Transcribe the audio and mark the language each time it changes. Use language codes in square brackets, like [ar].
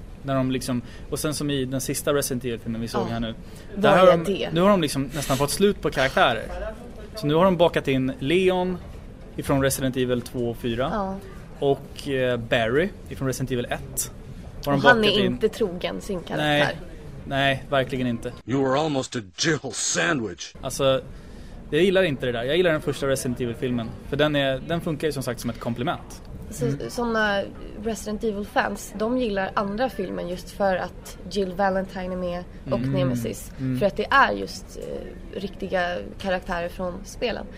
[sv] När de liksom, och sen som i den sista Resident Evil-filmen vi såg här nu. Där har de, nu har de liksom nästan fått slut på karaktärer. Så nu har de bakat in Leon ifrån Resident Evil 2 och 4. Ja. Och Barry ifrån Resident Evil 1. Har de bakat in. Han är inte trogen sin karaktär. Nej. Nej, verkligen inte. [en] You were almost a Jill sandwich. [sv] Alltså, jag gillar inte det där. Jag gillar den första Resident Evil-filmen. För den funkar ju som sagt som ett komplement. Mm. Sådana Resident Evil-fans, de gillar andra filmen just för att Jill Valentine är med och Nemesis. Mm. För att det är just riktiga karaktärer från spelen.